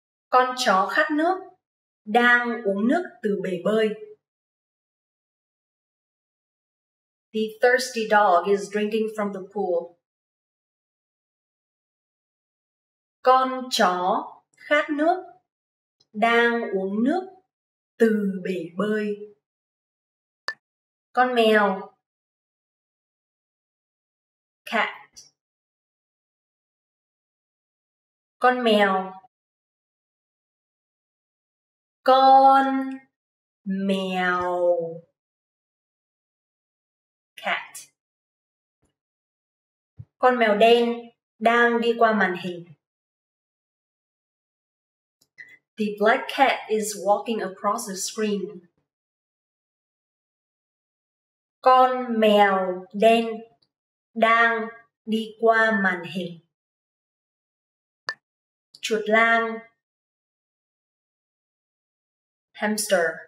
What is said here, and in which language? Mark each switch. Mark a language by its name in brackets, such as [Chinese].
[Vietnamese] Con chó khát nước, đang uống nước từ bể bơi. [English] The thirsty dog is drinking from the pool. [Vietnamese] Con chó khát nước, đang uống nước từ bể bơi. Con mèo, cat. Con mèo, con mèo, cat. Con mèo đen đang đi qua màn hình. [English] The black cat is walking across the screen. [Vietnamese] Con mèo đen đang đi qua màn hình. Chuột lang, hamster.